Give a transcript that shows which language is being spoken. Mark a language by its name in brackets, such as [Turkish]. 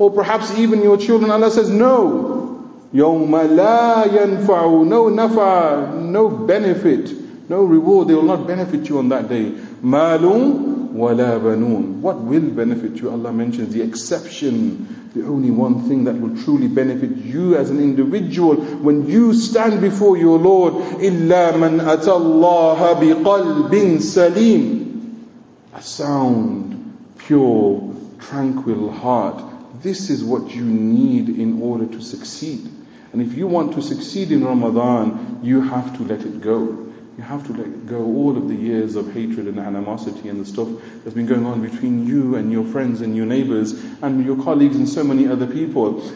[English] Or perhaps even your children. Allah says, no. [Arabic] يَوْمَ لَا يَنْفَعُ [English] No nafa, no benefit, no reward. They will not benefit you on that day. [Arabic] مَالٌ وَلَا بَنُونَ [English] What will benefit you? Allah mentions the exception. The only one thing that will truly benefit you as an individual when you stand before your Lord. [Arabic] إِلَّا مَنْ أَتَى اللَّهَ بِقَلْبٍ سَلِيمٍ [English] A sound, pure, tranquil heart. This is what you need in order to succeed. And if you want to succeed in Ramadan, you have to let it go. You have to let go all of the years of hatred and animosity and the stuff that's been going on between you and your friends and your neighbors and your colleagues and so many other people.